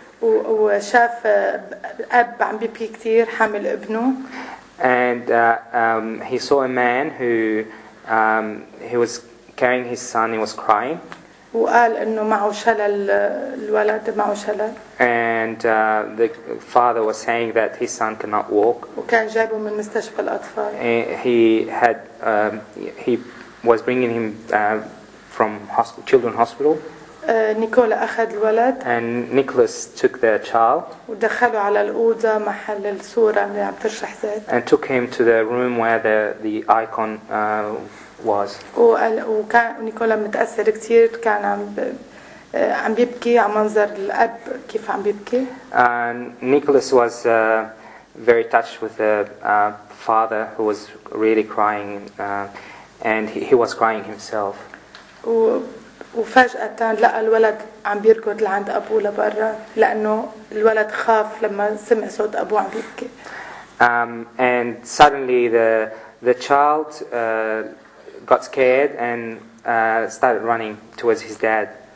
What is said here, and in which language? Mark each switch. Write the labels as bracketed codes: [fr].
[ar] وشاف أب عم بيبكي كتير حامل ابنه. [en] And he saw a man who he was carrying his son. He was crying. [ar] وقال إنه معه شلل الولد معه شلل. [en] And the father was saying that his son cannot walk. [ar] وكان جابه من مستشفى الأطفال. [en] And he had he was bringing him from children's hospital. [ar] نيكولا أخذ الولد. [en] And Nicholas took the child. [ar] ودخلوا على الأوضة محل الصورة اللي عم تشرح ذات. [en] And took him to the room where the icon was. [ar] وكان نيكولا متأثر كتير كان عم بيبكي على منظر الأب كيف عم بيبكي. [en] And Nicholas was very touched with the father who was really crying and he was crying himself. [ar] وفجأة لقى الولد عم بيركض لعند أبوه لبرا لأنه الولد خاف لما سمع صوت أبوه عم بيبكي. [en] And suddenly the child got scared and started running towards his dad.